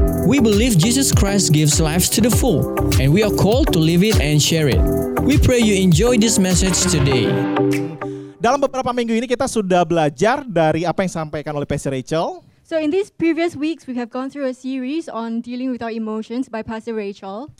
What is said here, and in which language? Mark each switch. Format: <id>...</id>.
<en>We believe Jesus Christ gives life to the full, and we are called to live it and share it. We pray you enjoy this message today.</en> <id>Dalam beberapa minggu ini kita sudah belajar dari apa yang disampaikan oleh Pastor Rachel.</id> <en>So in these previous weeks, we have gone through a series on dealing with our emotions by Pastor Rachel.</en>